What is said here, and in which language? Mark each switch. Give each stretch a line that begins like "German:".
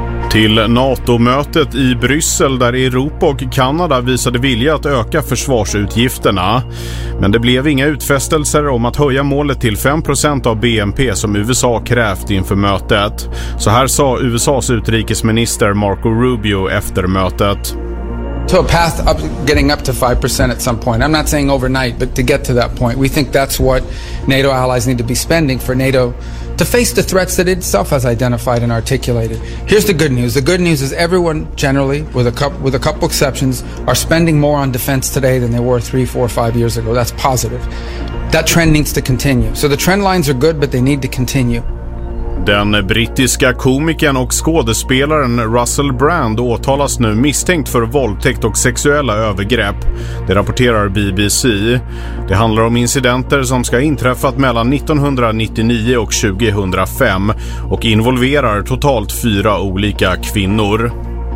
Swedish: Till NATO-mötet i Bryssel där Europa och Kanada visade vilja att öka försvarsutgifterna. Men det blev inga utfästelser om att höja målet till 5% av BNP som USA krävt inför mötet. Så här sa USAs utrikesminister Marco Rubio efter mötet.
English: To a path up, getting up to 5% at some point. I'm not saying overnight, but to get to that point. We think that's what NATO allies need to be spending for NATO to face the threats that itself has identified and articulated. Here's the good news. The good news is everyone generally, with a couple exceptions, are spending more on defense today than they were 3, 4, 5 years ago. That's positive. That trend needs to continue. So the trend lines are good, but they need to continue.
Swedish: Den brittiska komikern och skådespelaren Russell Brand åtalas nu misstänkt för våldtäkt och sexuella övergrepp. Det rapporterar BBC. Det handlar om incidenter som ska ha inträffat mellan 1999 och 2005 och involverar totalt 4 olika kvinnor.